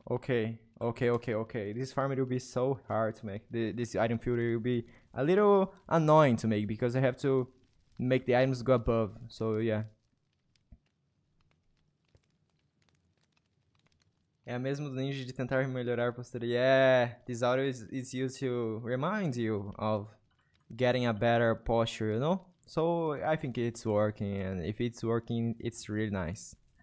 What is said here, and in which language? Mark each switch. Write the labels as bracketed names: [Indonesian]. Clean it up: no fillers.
[English] Okay. This farm will be so hard to make. This item filter will be a little annoying to make because I have to make the items go above, so yeah. [Portuguese] É a mesma do ninja de tentar melhorar a postura. [English] Yeah, this audio is used to remind you of getting a better posture, you know? So I think it's working, and if it's working, it's really nice.